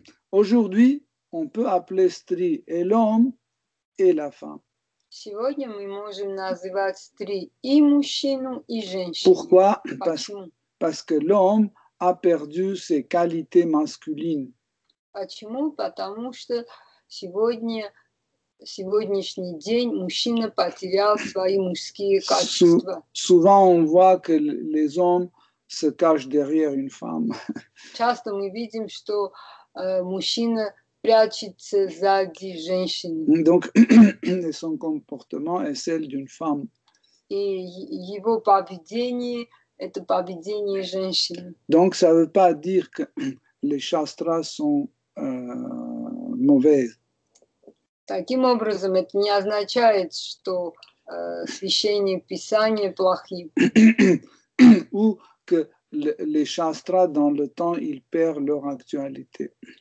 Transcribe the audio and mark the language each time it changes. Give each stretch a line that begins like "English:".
French: Aujourd'hui, on peut appeler стри et l'homme et la femme.
Russian: Сегодня мы можем называть стри и мужчину, и женщину.
French: Pourquoi? Parce que l'homme a perdu ses qualités masculines.
Russian: Почему? Потому что сегодняшний день мужчина потерял свои мужские качества.
French: Souvent on voit que les hommes se cachent derrière une femme.
Russian: Часто мы видим, что мужчина прячется сзади женщины.
French: Donc, son comportement est celle d'une femme.
Russian: И его поведение – это поведение женщины.
French: Donc, ça veut pas dire que les шастрас sont mauvais.
Russian: Таким образом, это не означает, что священные писания плохие.
French: Ou que les шастрас dans le temps, ils perdent leur actualité.